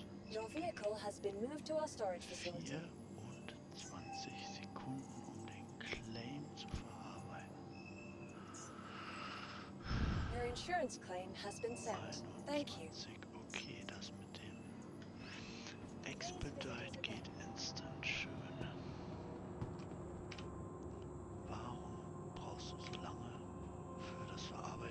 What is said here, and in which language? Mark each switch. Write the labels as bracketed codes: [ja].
[en] Your vehicle has been moved to our storage facility. [de] 24 Sekunden, um den Claim zu verarbeiten. [en] Your insurance claim has been sent. Thank you. [de] Okay, das mit dem Expedite geht instant schön. Warum brauchst du so lange für das Verarbeiten?